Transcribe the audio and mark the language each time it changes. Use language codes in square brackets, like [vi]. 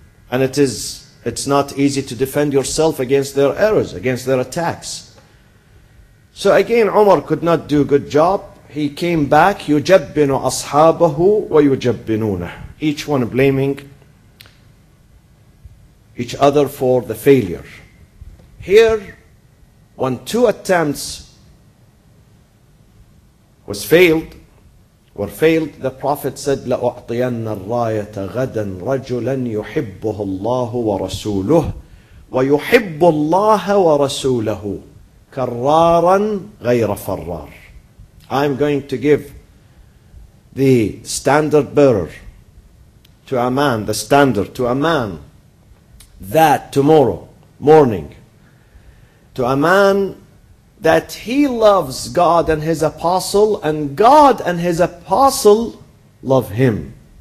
[en] And it's not easy to defend yourself against their arrows, against their attacks. So again, Umar could not do a good job. He came back, [ar] يُجَبِّنُ أَصْحَابَهُ وَيُجَبِّنُونَهُ. [en] Each one blaming each other for the failure. Here, when two attempts were failed, the Prophet said, [ar] لَأُعْطِيَنَّ الرَّايَةَ غَدًا رَجُلًا يُحِبُّهُ اللَّهُ وَرَسُولُهُ وَيُحِبُّ اللَّهَ وَرَسُولَهُ كَرَّارًا غَيْرَ فَرَّارٍ. [en] I'm going to give the standard bearer to a man, the standard to a man, that tomorrow morning, to a man that he loves God and his apostle, and God and his apostle love him.